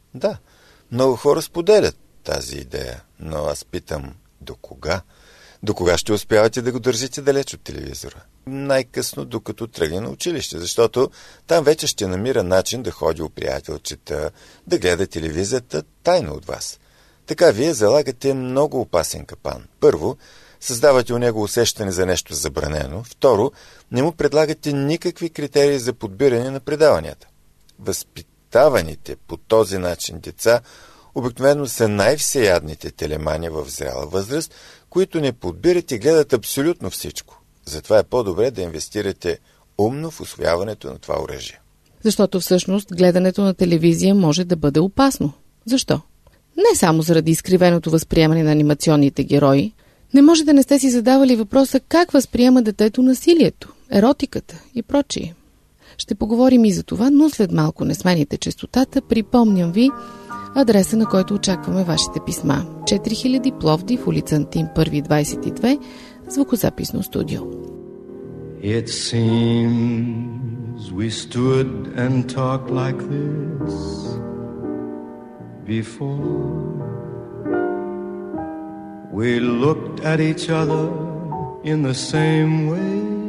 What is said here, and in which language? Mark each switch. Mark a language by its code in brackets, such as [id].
[bg] Да, много хора споделят тази идея, но аз питам, до кога? До кога ще успявате да го държите далеч от телевизора? Най-късно, докато тръгне на училище, защото там вече ще намира начин да ходи у приятелчета, да гледа телевизията тайно от вас. Така вие залагате много опасен капан. Първо, създавате у него усещане за нещо забранено. Второ, не му предлагате никакви критерии за подбиране на предаванията. Възпитаваните по този начин деца обикновено са най-всеядните телемани в зряла възраст, които не подбират и гледат абсолютно всичко. Затова е по-добре да инвестирате умно в усвояването на това оръжие. Защото всъщност гледането на телевизия може да бъде опасно. Защо? Не само заради изкривеното възприемане на анимационните герои. Не може да не сте си задавали въпроса как възприема детето насилието, еротиката и прочие. Ще поговорим и за това, но след малко не смените честотата. Припомням ви адреса, на който очакваме вашите писма. 4000 Пловдив, улица Антим, 1-22, звукозаписно студио. [en] It seems we stood and talked like this before. We looked at each other in the same way.